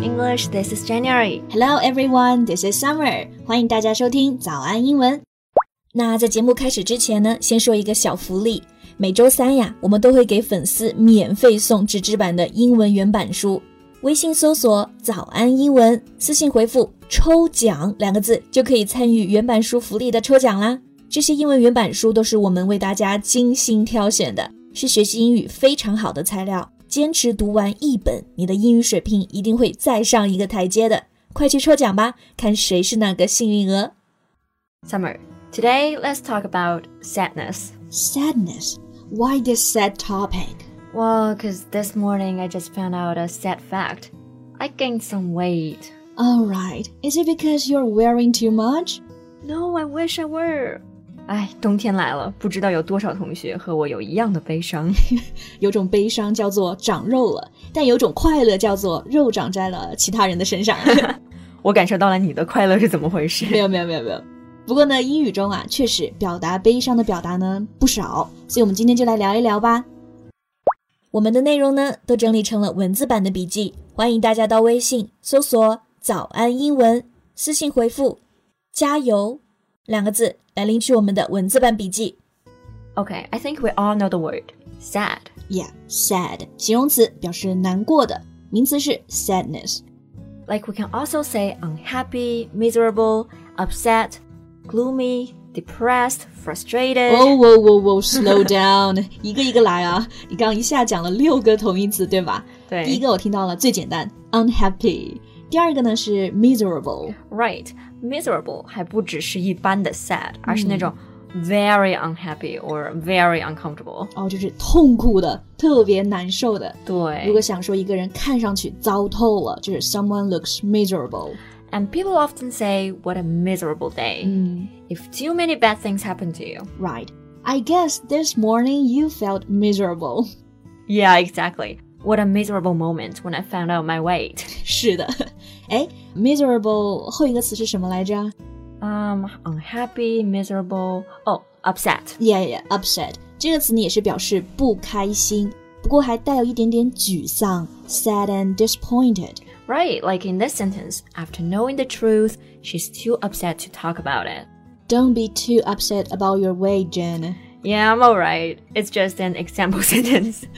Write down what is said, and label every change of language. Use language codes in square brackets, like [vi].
[en] English, this is January. Hello everyone, this is Summer. [zh] 欢迎大家收听早安英文。那在节目开始之前呢，先说一个小福利。每周三呀，我们都会给粉丝免费送纸质版的英文原版书。微信搜索早安英文，私信回复抽奖两个字，就可以参与原版书福利的抽奖啦。这些英文原版书都是我们为大家精心挑选的，是学习英语非常好的材料。坚持读完一本，你的英语水平一定会再上一个台阶的。快去抽奖吧，看谁是那个幸运鹅。 [en] Summer, today let's talk about sadness. Sadness? Why this sad topic? Well, because this morning I just found out a sad fact. I gained some weight. All right. Is it because you're wearing too much? No, I wish I were. [zh] 哎，冬天来了，不知道有多少同学和我有一样的悲伤。有种悲伤叫做长肉了，但有种快乐叫做肉长在了其他人的身上。我感受到了你的快乐是怎么回事？没有。不过呢，英语中啊，确实表达悲伤的表达呢不少，所以我们今天就来聊一聊吧。我们的内容呢都整理成了文字版的笔记，欢迎大家到微信搜索早安英文，私信回复加油两个字来领取我们的文字版笔记。 [en] Okay, I think we all know the word sad. Yeah, sad, [zh] 形容词表示难过的，名词是 sadness. [en] Like we can also say unhappy, miserable, upset, gloomy, depressed, frustrated. Whoa, slow down. [zh] 一个一个来啊，你刚一下讲了六个同义词对吧？对，第一个我听到了最简单 unhappy, 第二个呢是 miserable. [en] RightMiserable [zh] 还不只是一般的 [en] sad, [zh] 而是那种 [en] very unhappy or very uncomfortable. [zh] 哦，就是痛苦的，特别难受的。对。如果想说一个人看上去糟透了，就是 [en] someone looks miserable. And people often say, what a miserable day. If too many bad things happen to you. Right. I guess this morning you felt miserable. Yeah, exactly. What a miserable moment when I found out my weight. [zh] 是的。哎 miserable 后一个词是什么来着？ [en] Unhappy, miserable, upset. Yeah, upset. [zh] 这个词呢也是表示不开心，不过还带有一点点沮丧 [en] sad and disappointed. Right, like in this sentence, after knowing the truth, she's too upset to talk about it. Don't be too upset about your weight, Jen. Yeah, I'm alright. It's just an example sentence.